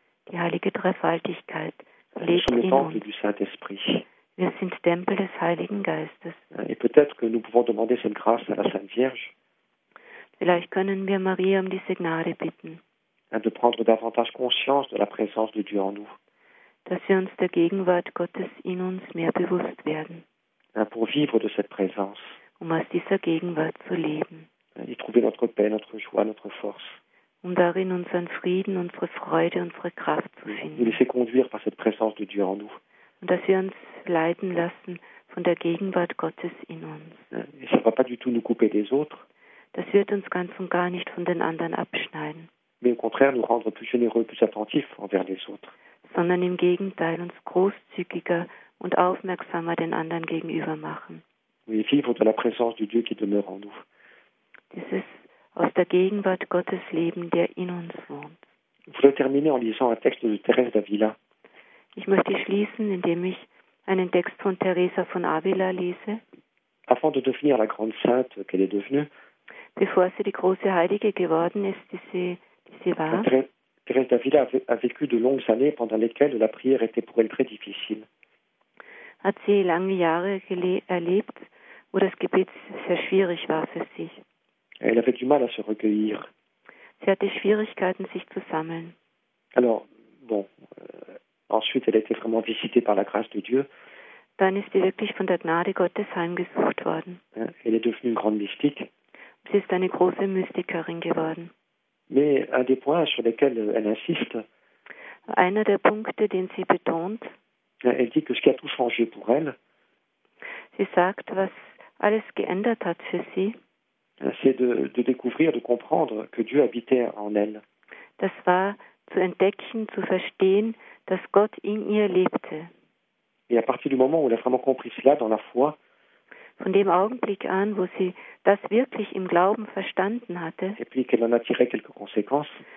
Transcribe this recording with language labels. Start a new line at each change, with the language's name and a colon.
German: Die heilige Dreifaltigkeit lebt in uns.
French: Du Saint-Esprit.
German: Wir sind Tempel des Heiligen Geistes.
French: Et peut-être que nous pouvons demander cette grâce à la Sainte Vierge.
German: Vielleicht können wir Maria um diese Gnade bitten.
French: De prendre davantage conscience de la présence de Dieu en nous.
German: Dass wir uns der Gegenwart Gottes in uns mehr bewusst werden.
French: Pour vivre de cette présence.
German: Um aus dieser Gegenwart zu leben.
French: Y trouver notre paix, notre joie, notre force.
German: Um darin unseren Frieden, unsere Freude, unsere Kraft zu finden.
French: Nous laisser conduire par cette présence de Dieu en nous.
German: Und dass wir uns leiten lassen von der Gegenwart Gottes in uns.
French: Et ça va pas du tout nous couper des autres.
German: Das wird uns ganz und gar nicht von den anderen abschneiden.
French: Mais au contraire, nous rendre plus généreux, plus attentifs envers les autres.
German: Sondern im Gegenteil uns großzügiger und aufmerksamer den anderen gegenüber machen.
French: Oui, vivre de la présence de Dieu qui demeure en nous.
German: Dieses aus der Gegenwart Gottes leben, der in uns wohnt.
French: Je voudrais terminer en lisant un texte de Thérèse d'Avila.
German: Ich möchte schließen, indem ich einen Text von Teresa von Avila lese.
French: Avant de devenir la grande sainte qu'elle est devenue,
German: bevor sie die große Heilige geworden ist, die sie war.
French: Thérèse d'Avila a vécu de longues années pendant lesquelles la prière était pour elle très difficile.
German: Hat sie lange Jahre erlebt, wo das Gebet sehr schwierig war für sie.
French: Elle avait du mal à se recueillir.
German: Sie hatte Schwierigkeiten, sich zu sammeln.
French: Alors, bon, ensuite, elle a été vraiment visitée par la grâce de Dieu.
German: Dann ist sie wirklich von der Gnade Gottes heimgesucht worden.
French: Elle est devenue une grande mystique.
German: Sie ist eine große Mystikerin geworden.
French: Mais un des points sur lesquels elle insiste,
German: einer der Punkte, den sie betont,
French: elle dit que ce qui a tout changé pour elle,
German: sie sagt, was alles geändert hat für sie,
French: c'est de découvrir, de comprendre que Dieu habitait en elle.
German: Das war zu entdecken, zu verstehen, dass Gott in ihr lebte.
French: Et à partir du moment où elle a vraiment compris cela dans la foi,
German: von dem Augenblick an, wo sie das wirklich im Glauben verstanden hatte,
French: et puis qu'elle en a tiré quelques conséquences,